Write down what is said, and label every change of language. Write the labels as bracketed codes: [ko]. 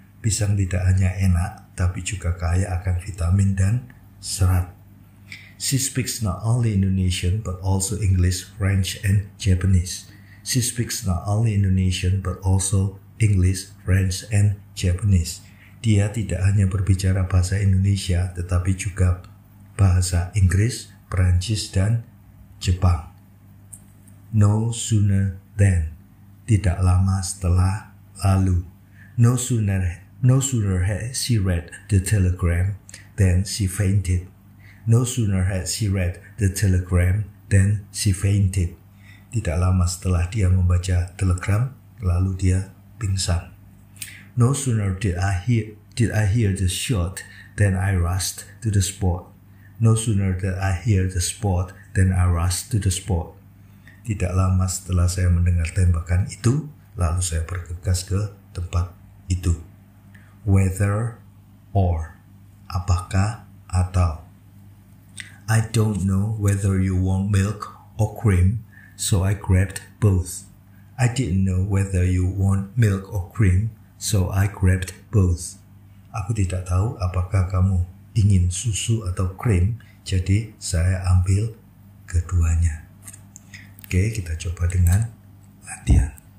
[id] Pisang tidak hanya enak, tapi juga kaya akan vitamin dan serat. [en] She speaks not only Indonesian, but also English, French, and Japanese. She speaks not only Indonesian, but also English, French, and Japanese. [id] Dia tidak hanya berbicara bahasa Indonesia, tetapi juga bahasa Inggris, Perancis, dan Jepang. [en] No sooner than, [id] tidak lama setelah lalu. [en] No sooner had she read the telegram than she fainted. No sooner had she read the telegram than she fainted. [id] Tidak lama setelah dia membaca telegram, lalu dia pingsan. [en] No sooner did I hear the shot than I rushed to the spot. No sooner did I hear the spot than I rushed to the spot. [id] Tidak lama setelah saya mendengar tembakan itu, lalu saya bergegas ke tempat itu. [en] Whether or, [id] apakah atau. [en] I don't know whether you want milk or cream, so I grabbed both. I didn't know whether you want milk or cream, so I grabbed both. [id] Aku tidak tahu apakah kamu ingin susu atau krim, jadi saya ambil keduanya. Oke, kita coba dengan latihan.